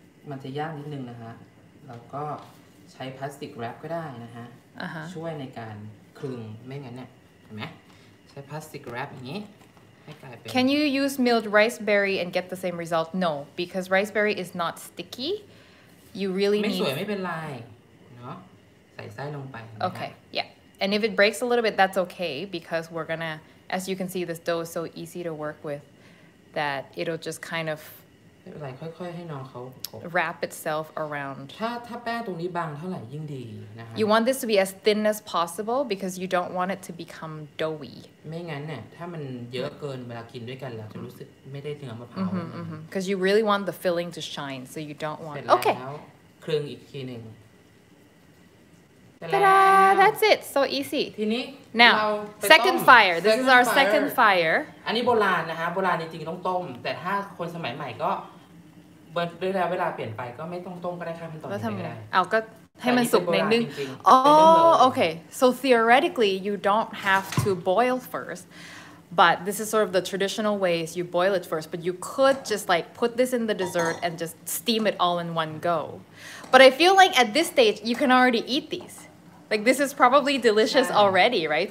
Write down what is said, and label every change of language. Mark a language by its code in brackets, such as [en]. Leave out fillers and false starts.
[th] มันจะยากนิดนึงนะคะแล้วก็ใช้พลาสติกแรปก็ได้นะฮะช่วยในการคลึงไม่งั้นเนี่ยเห็นไหมใช้พลาสติกแรปอย่างนี้ให้กลายเป็น [en] Can you use milled rice berry and get the same result? No, because rice berry is not sticky. You really [th] ไม่ [en] need... [th] สวยไม่เป็นไรเนาะใส่ไส้ลงไป [en] Okay, yeah. And if it breaks a little bit, that's okay because we're gonna, as you can see, this dough is so easy to work with that it'll just kind of [th] ไม่เป็นไรค่อยๆให้น้องเขา [en] wrap itself around [th] ถ้าแป้งตรงนี้บางเท่าไหร่ยิ่งดีนะคะ [en] you want this to be as thin as possible because you don't want it to become doughy [th] ไม่งั้นเนี่ยถ้ามันเยอะเกินเวลากินด้วยกันแล้วจะรู้สึกไม่ได้เนื้อมะพร้าว [en] because you really want the filling to shine so you don't want [th] okay ครึ่งอีกทีนึง [en] Ta-da! That's it. So easy. Now, second fire. This is our second fire. [th] อันนี้โบราณนะฮะโบราณจริงๆต้องต้มแต่ถ้าคนสมัยใหม่ก็เวลาเปลี่ยนไปก็ไม่ต้องต้มก็ได้ค่ะเป็นต้นไม้ก็ได้เอาก็ให้มันสุกในนึง okay. [en] So theoretically, you don't have to boil first. But this is sort of the traditional ways you boil it first, but you could just like put this in the dessert and just steam it all in one go. But I feel like at this stage, you can already eat these. Like this is probably delicious already, right?